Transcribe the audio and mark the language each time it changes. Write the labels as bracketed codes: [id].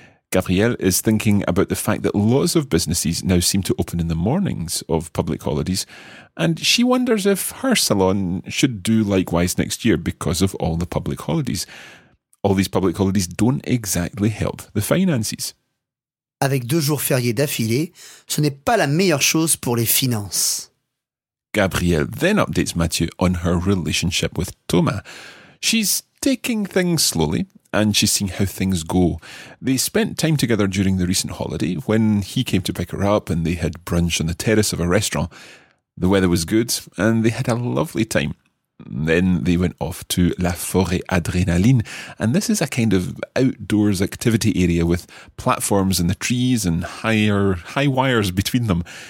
[en] Gabrielle is thinking about the fact that lots of businesses now seem to open in the mornings of public holidays, and she wonders if her salon should do likewise next year because of all the public holidays. All these public holidays don't exactly help the finances. [fr] Avec deux jours fériés d'affilée, ce n'est pas la meilleure chose pour les finances. [en] Gabrielle then updates Mathieu on her relationship with Thomas. She's taking things slowly, and she's seeing how things go. They spent time together during the recent holiday, when he came to pick her up and they had brunch on the terrace of a restaurant. The weather was good, and they had a lovely time. Then they went off to La Forêt Adrénaline, and this is a kind of outdoors activity area with platforms in the trees and high wires between them.